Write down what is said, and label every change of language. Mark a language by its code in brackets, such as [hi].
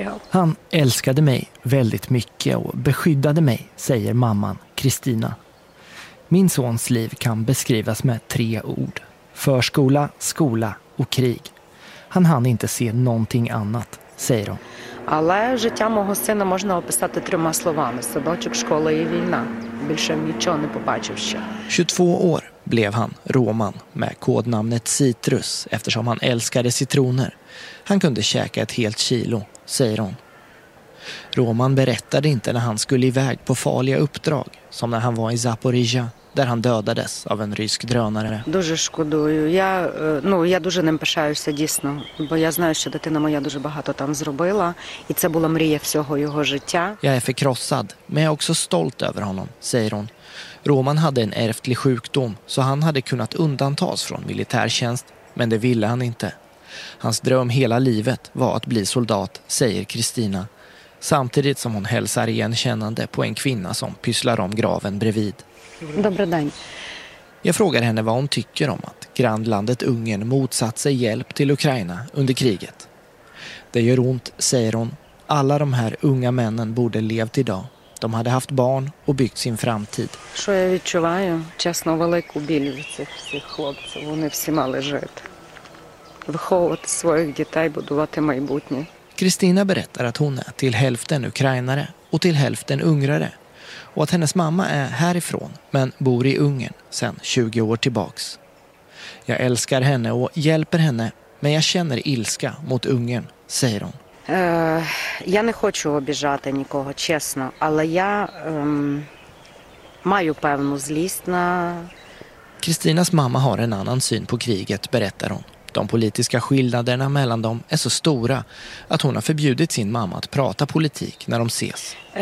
[sv] Han älskade mig väldigt mycket och beskyddade mig, säger mamman Kristina. Min sons liv kan beskrivas med tre ord. Förskola, skola och krig. Han hann inte se någonting annat, säger hon. [uk] Але життя мого сина можна описати трьома словами: садочок, школа і війна. Більше нічого не побачив ще. [sv] 22 år blev han Roman med kodnamnet Citrus eftersom han älskade citroner. Han kunde käka ett helt kilo, säger hon. Roman berättade inte när han skulle iväg på farliga uppdrag, som när han var i Zaporizhia där han dödades av en rysk drönare. [uk] Дуже шкодую. Я дуже ним пишаюся дійсно, бо я знаю, що дитина моя дуже багато там зробила, і це була мрія всього його життя. [sv] Jag är förkrossad, men jag är också stolt över honom, säger hon. Roman hade en ärftlig sjukdom, så han hade kunnat undantas från militärtjänst, men det ville han inte. Hans dröm hela livet var att bli soldat, säger Kristina. Samtidigt som hon hälsar igenkännande på en kvinna som pysslar om graven bredvid. Jag frågar henne vad hon tycker om att grannlandet Ungern motsatt sig hjälp till Ukraina under kriget. Det gör ont, säger hon. Alla de här unga männen borde levt idag. De hade haft barn och byggt sin framtid. Kristina berättar att hon är till hälften ukrainare och till hälften ungrare. Och att hennes mamma är härifrån men bor i Ungern sedan 20 år tillbaks. Jag älskar henne och hjälper henne, men jag känner ilska mot Ungern, säger hon. Jag [uk] не хочу обіжати нікого, чесно, але я маю певну злість на. [sv] Кристинас мама har en annan syn på kriget, berättar hon. De politiska skillnaderna mellan dem är så stora att hon har förbjudit sin mamma att prata politik när de ses.